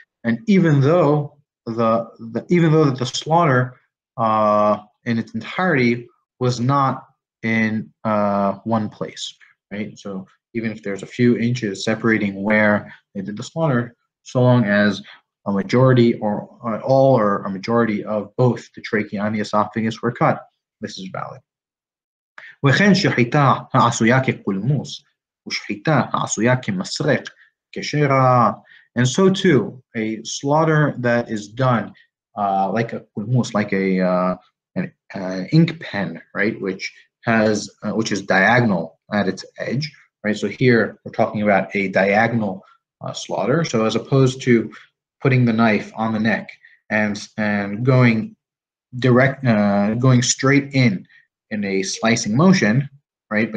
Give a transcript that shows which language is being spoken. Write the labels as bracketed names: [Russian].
[English] And even though the slaughter in its entirety was not in one place, right? So even if there's a few inches separating where they did the slaughter, so long as a majority or all or a majority of both the trachea and the esophagus were cut, this is valid. [Hebrew] וכן שחיטה העשויה כקולמוס ושחיטה העשויה כמסרק כשרה. [English] And so too, a slaughter that is done like a kulmus, like a an ink pen, right, which is diagonal at its edge, right? So here we're talking about a diagonal slaughter. So as opposed to putting the knife on the neck and going direct, going straight in a slicing motion, right?